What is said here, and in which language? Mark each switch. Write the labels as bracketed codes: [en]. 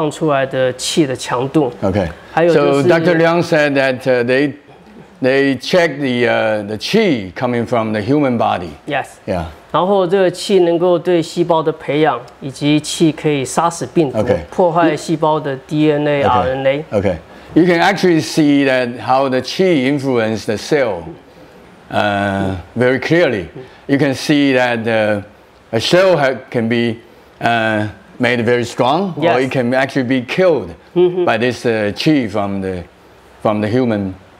[zh] 那当时气功研究主要针对人体气功气的外放，那去测量人体实际放出来的气的强度。还有就是 [en] so Dr. Liang said that they check the qi coming from the human body. Yes. Yeah. [zh] 然后这个气能够对细胞的培养，以及气可以杀死病毒，破坏细胞的 DNA、 RNA. [en] Okay. You can actually see that how the qi influenced the cell very clearly. You can see that a cell can be made very strong, yes, or it can actually be killed by this qi from the human.